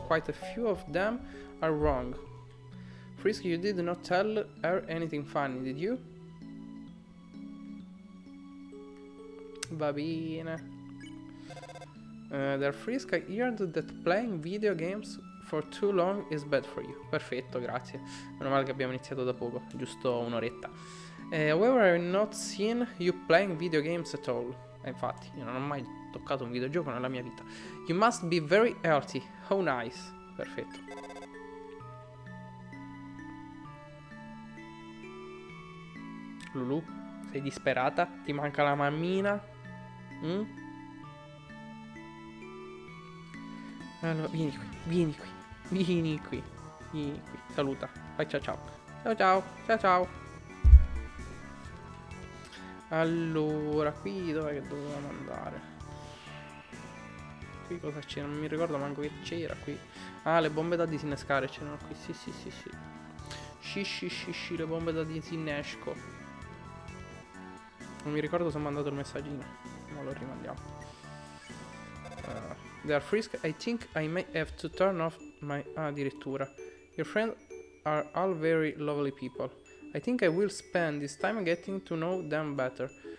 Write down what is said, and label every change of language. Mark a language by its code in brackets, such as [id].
[en] Quite a few of them are wrong. Frisk, you did not tell her anything funny, did you? [it] Va bene. [en] The Frisk, I heard that playing video games for too long is bad for you. [it] Perfetto, grazie. Meno male che abbiamo iniziato da poco, giusto un'oretta. [en] However, I've not seen you playing video games at all. [it] Infatti, io non ho mai toccato un videogioco nella mia vita. [en] You must be very healthy. How nice. [it] Perfetto. Lulu, sei disperata? Ti manca la mammina? Allora, vieni qui. Saluta. Vai, ciao. Allora, qui dov'è che dovevamo andare? Qui cosa c'era? Non mi ricordo manco che c'era qui. Ah, le bombe da disinnescare c'erano qui. Sì. Sci, le bombe da disinnesco. Non mi ricordo se ho mandato il messaggino. Ma lo rimandiamo. [en] They are Frisk. I think I may have to turn off my... [it] Ah, addirittura. [en] Your friends are all very lovely people. I think I will spend this time getting to know them better.